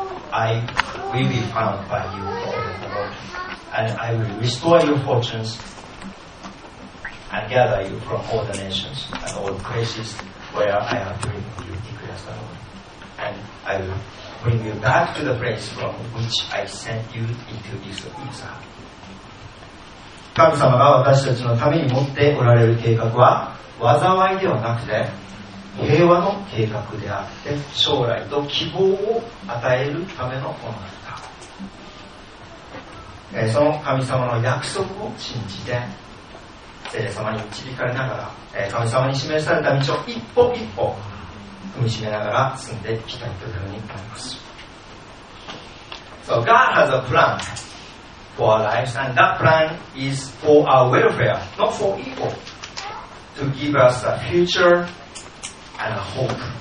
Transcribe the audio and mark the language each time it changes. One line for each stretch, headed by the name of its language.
English: I will be found by you, Lord, and I will restore your fortunes and gather you from all the nations and all the places where I have driven you. And I will bring you back to the place from which I sent you into this exile.
Japanese: 神様が私たちのために持っておられる計画は災いではなくて平和の計画であって、将来と希望を与えるためのものだった。その神様の約束を信じて、聖霊様に導かれながら、神様に示された道を一歩一歩踏みしめながら進んでいきたいというふうに思います。
English: So God has a plan for our lives, and that plan is for our welfare, not for evil, to give us a future and a hope.